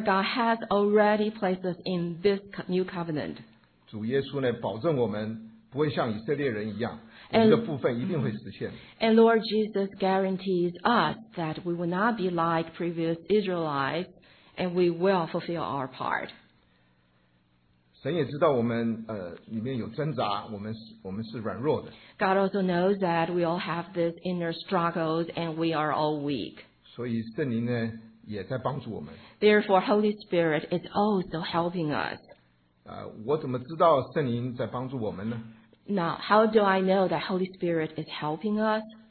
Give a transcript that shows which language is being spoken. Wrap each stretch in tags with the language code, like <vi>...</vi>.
<en>God has already placed us in this new covenant.</en> <zh>主耶稣呢，保证我们不会像以色列人一样，我们的部分一定会实现。</zh> <en>And Lord Jesus guarantees us that we will not be like previous Israelites, and we will fulfill our part.</en> <zh>神也知道我们里面有挣扎，我们是软弱的。</zh> <en>God also knows that we all have these inner struggles and we are all weak.</en> <zh>所以圣灵呢也在帮助我们。</zh> <en>Therefore, Holy Spirit is also helping us.</en> <zh>我怎么知道圣灵在帮助我们呢？</zh> <en>Now, how do I know that Holy Spirit is helping us?</en>